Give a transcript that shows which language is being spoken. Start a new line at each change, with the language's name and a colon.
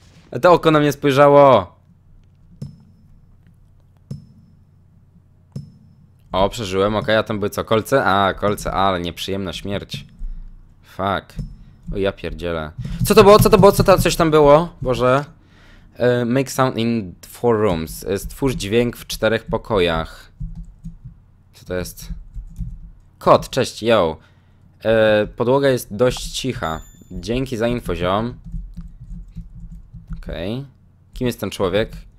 Polish: A to oko na mnie spojrzało. O, przeżyłem, okej, a tam były co, kolce? A, kolce, ale nieprzyjemna śmierć. Fuck. O, ja pierdzielę. Co to było, co to było, co to, coś tam było? Boże.
English: Make sound in four rooms.
Polish: Stwórz dźwięk w czterech pokojach. Co to jest? Kot, cześć, yo. Podłoga jest dość cicha. Dzięki za info, ziom. Okej. Kim jest ten człowiek?